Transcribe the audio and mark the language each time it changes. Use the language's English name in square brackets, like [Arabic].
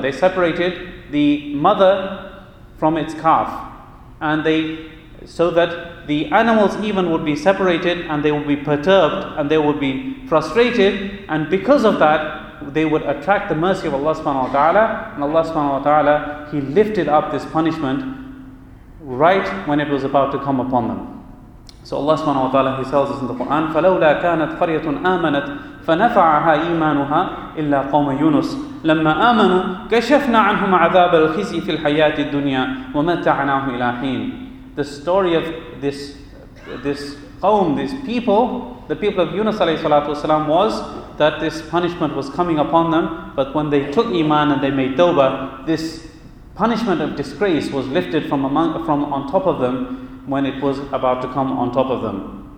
[English] They separated the mother from its calf, and they, so that the animals even would be separated and they would be perturbed and they would be frustrated, and because of that they would attract the mercy of Allah subhanahu wa ta'ala. And Allah subhanahu wa ta'ala, he lifted up this punishment right when it was about to come upon them. So Allah subhanahu wa ta'ala, he tells us in the Quran, [Arabic] فَلَوْلَا كَانَتْ قَرْيَةٌ آمَنَتْ فَنَفَعَهَا إِيمَانُهَا إِلَّا قَوْمَ يُونُسِ لَمَّا آمَنُوا كَشَفْنَا عَنْهُمْ عَذَابَ الْخِزِي فِي الْحَيَاةِ الدُّنْيَا وَمَتَّعْنَاهُمْ إِلَىٰ حِينٍ. [English] The story of this qawm, these people, the people of Yunus alayhi salatu wasalam, was that this punishment was coming upon them, but when they took iman and they made tawbah, this punishment of disgrace was lifted from on top of them when it was about to come on top of them.